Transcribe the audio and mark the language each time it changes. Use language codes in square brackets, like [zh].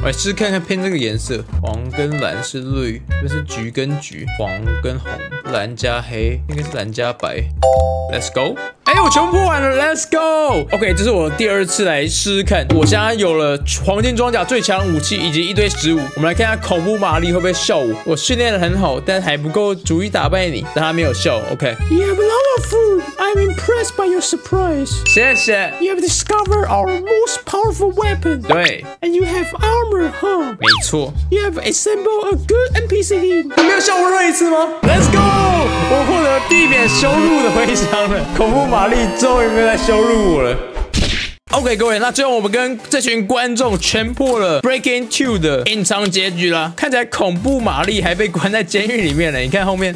[zh] 我来试试看看偏这个颜色，黄跟蓝是绿，这是橘跟橘，黄跟红，蓝加黑，应该是蓝加白。 [en] Let's go。 [zh] 哎，我全部破完了 ， [en] Let's go。 [zh] OK， 这是我第二次来试试看，我现在有了黄金装甲、最强武器以及一堆食物。我们来看一下恐怖玛丽会不会笑我。我训练得很好，但还不够足以打败你，但他没有笑。 [en] OK。 You have a lot of food. I'm impressed by your surprise. [zh] 谢谢。 [en] You have discovered our most powerful weapon. [zh] 对。 [en] And you have armor, huh? [zh] 没错。 [en] You have assembled a good NPC team. [zh] 你没有笑我任一次吗 ？ [en] Let's go。 [zh] 我获得避免羞辱的徽章了，恐怖玛丽终于没有来羞辱我了。 OK， 各位，那最后我们跟这群观众全破了 Breaking Two 的隐藏结局啦。看起来恐怖玛丽还被关在监狱里面了，你看后面。